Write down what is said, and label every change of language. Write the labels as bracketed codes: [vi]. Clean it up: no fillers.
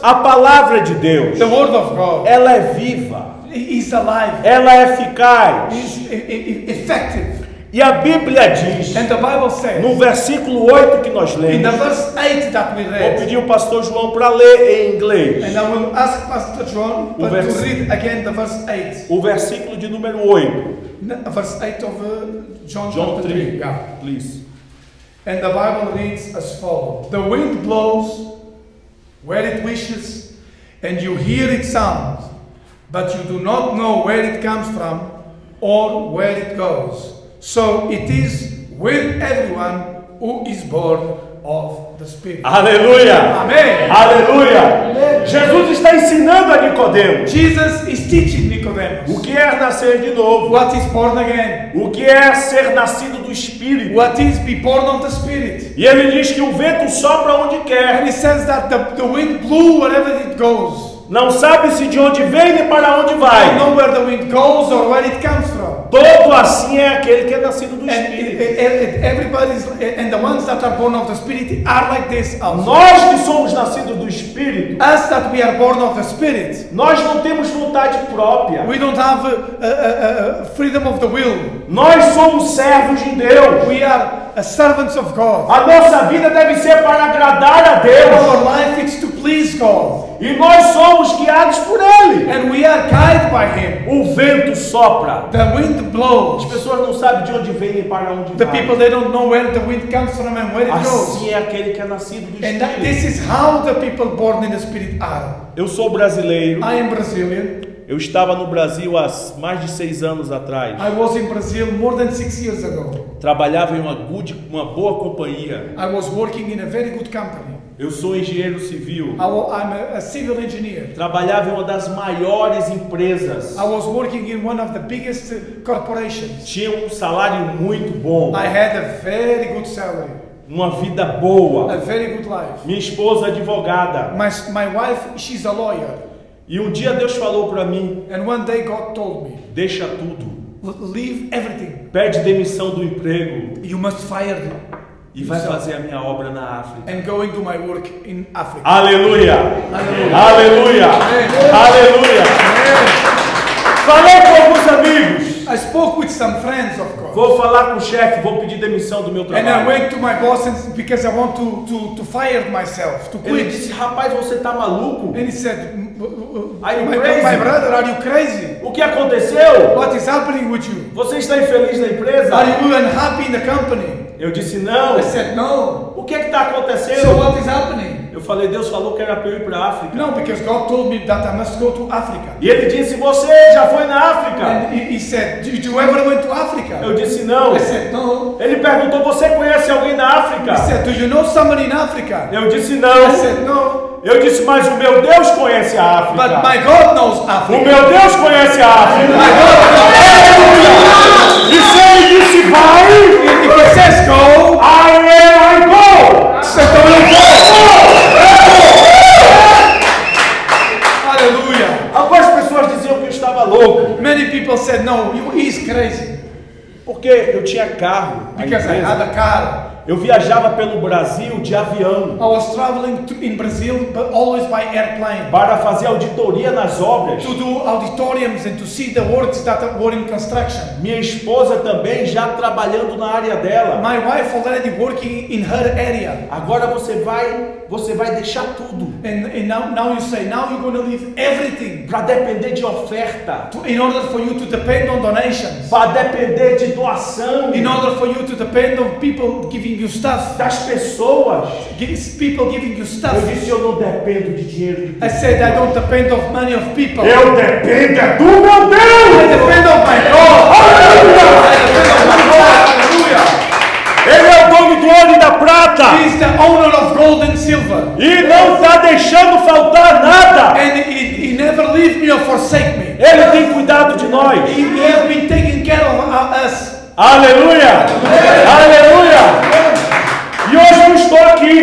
[pt] a palavra de Deus, [en] the word of God, [pt] ela é viva, [en] is alive, [pt] ela é eficaz, [en] is effective. [pt] E a Bíblia diz, [en] and the Bible says, [pt] no versículo 8 que nós lemos, [en] in the verse 8 that we read, [pt] vou pedir o pastor João para ler em inglês. [en] And I will ask Pastor John to read again the verse 8. [pt] O versículo de número 8. [en] Verse 8 of John 3. Yeah. Please. And the Bible reads as follows. The wind blows where it wishes, and you hear its sound, but you do not know where it comes from or where it goes. So it is with everyone who is born of the Spirit. [pt] Aleluia. Amém. Aleluia. Jesus está ensinando a Nicodemo. [en] Jesus is teaching Nicodemus. [pt] O que é nascer de novo? [en] What is born again? [pt] O que é ser nascido do Espírito? [en] What is be born of the Spirit? [pt] E ele diz que o vento sopra onde quer. [en] And he says that the wind blew wherever it goes. [pt] Não sabe-se de onde vem e para onde vai. [en] Know where the wind goes or where it comes from. [pt] Todo assim é aquele que é nascido do Espírito. [en] Everybody's and the ones that are born of the Spirit are like this. Also. [pt] Nós que somos nascidos do Espírito. [en] Us that we are born of the Spirit. [pt] Nós não temos vontade própria. [en] We don't have freedom of the will. [pt] Nós somos servos de Deus. [en] We are servants of God. [pt] A nossa vida deve ser para agradar a Deus. [en] Our life is to please God. [pt] E nós somos guiados por Ele. [en] And we are guided by Him. [pt] O vento sopra. [en] The wind blows. [pt] As pessoas não sabem de onde vem e para onde vai. [en] The people they don't know where the wind comes from and where it [pt] assim [en] goes. [pt] Assim é aquele que é nascido do Espírito. [en] And that, this is how the people born in the Spirit are. [pt] Eu sou brasileiro. [en] I am Brazilian. [pt] Eu estava no Brasil há mais de 6 anos atrás. [en] I was in Brazil more than 6 years ago. [pt] Trabalhava em uma boa companhia. [en] I was working in a very good company. [pt] Eu sou engenheiro civil. [en] I'm a civil engineer. [pt] Trabalhava em uma das maiores empresas. [en] I was working in one of the biggest corporations. [pt] Tinha um salário muito bom. [en] I had a very good salary. [pt] Uma vida boa. [en] A very good life. [pt] Minha esposa advogada. [en] My wife, she's a lawyer. [pt] E um dia Deus falou para mim. [en] And one day God told me. [pt] Deixa tudo. [en] Leave everything. [pt] Pede demissão do emprego. [en] You must fire them. [pt] E vai fazer a minha obra na África. [en] And go into my work in Africa. [pt] Aleluia. Aleluia. Aleluia. Falei com alguns amigos. [en] I spoke with some friends, of course. [pt] Vou falar com o chefe, vou pedir demissão do meu trabalho. [en] And I went to my boss because I want to fire myself, to quit. [pt] Ele disse, rapaz, você tá maluco? [en] And he said, are you crazy? My brother, are you crazy? [pt] O que aconteceu? [en] What is happening with you? [pt] Você está infeliz na empresa? [en] Are you unhappy in the company? [pt] Eu disse não. [en] I said no. [pt] O que é que está acontecendo? [en] So what is happening? [pt] Eu falei, Deus falou que era para eu ir para a África. [en] No, because God told me that I must go to Africa. [pt] E ele disse, você já foi na África? [en] And he said, did you ever went to Africa? [pt] Eu disse não. [en] I said no. [pt] Ele perguntou, você conhece alguém na África? [en] He said, do you know somebody in Africa? [pt] Eu disse não. [en] I said no. [pt] Eu disse, mas o meu Deus conhece a África. [en] But my God knows Africa. [pt] O meu Deus conhece a África. [en] My God knows [pt] Africa. E se ele disse vai? [en] And if he says go, I go. [pt] Então eu vou. Aleluia. Algumas pessoas diziam que eu estava louco. [en] Many people said no, he's crazy. [pt] Porque eu tinha carro. [en] Because I had a car. [pt] Eu viajava pelo Brasil de avião. [en] I was traveling in Brazil, but always by airplane. [pt] Para fazer auditoria nas obras. [en] To do auditoriums and to see the works that were in construction. [pt] Minha esposa também já trabalhando na área dela. [en] My wife already working in her area. [pt] Agora você vai deixar tudo. [en] And now you say, now you're going to leave everything. [pt] Para depender de oferta. [en] In order for you to depend on donations. [pt] Para depender de doação. [en] In order for you to depend on people giving you stuff. [pt] Das pessoas. [en] These people giving you stuff. [pt] Eu disse, eu não dependo de dinheiro. [en] I said, I don't depend on money of people. [pt] Eu dependo do meu Deus. [en] I depend on my God. [pt] Aleluia. Aleluia. Ele é o dono do ouro e da prata. [en] He is the owner of gold and silver. [pt] E não está deixando faltar nada. [en] And he never leave me or forsake me. [pt] Ele tem cuidado de nós. [en] He has been taking care of us. [pt] Aleluia. Aleluia. E hoje eu estou aqui.